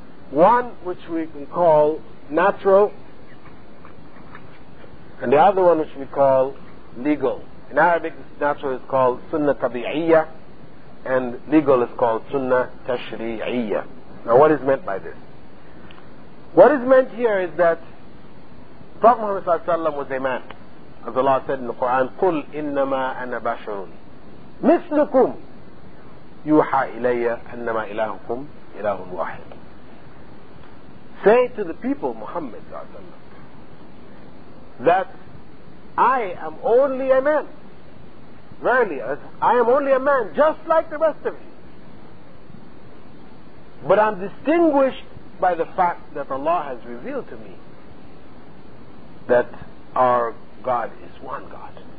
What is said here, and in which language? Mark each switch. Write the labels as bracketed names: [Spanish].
[English] One which we can call natural, and the other one which we call legal. In Arabic, natural is called sunnah tabi'iyya, and legal is called sunnah tashri'iyya. Now what is meant by this? What is meant here is that Prophet Muhammad sallallahu alaihi wasallam was a man. As Allah said in the Quran, [Arabic] قُلْ إِنَّمَا أَنَا بَشَرٌ مِثْلُكُمْ يُوحَى إِلَيَّ أَنَّمَا إِلَهُكُمْ إِلَهُ الْوَاحِدُ. [English] Say to the people, Muhammad that I am only a man. Verily, I am only a man just like the rest of you. But I'm distinguished by the fact that Allah has revealed to me that our God is one God.